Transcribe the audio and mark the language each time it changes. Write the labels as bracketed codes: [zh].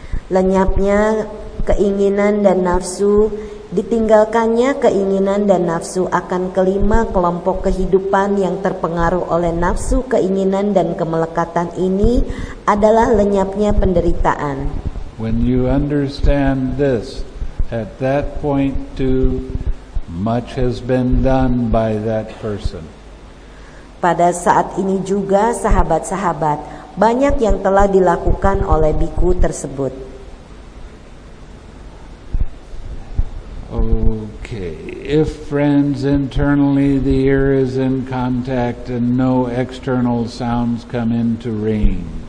[id] Lenyapnya keinginan dan nafsu, ditinggalkannya keinginan dan nafsu akan kelima kelompok kehidupan yang terpengaruh oleh nafsu, keinginan, dan kemelekatan ini adalah lenyapnya penderitaan. [en] When you understand this, at that point too, much has been done by that person. [id] Pada saat ini juga, sahabat-sahabat, banyak yang telah dilakukan oleh bhikkhu tersebut. [en] Okay, if friends internally the ear is in contact and no external sounds come into range.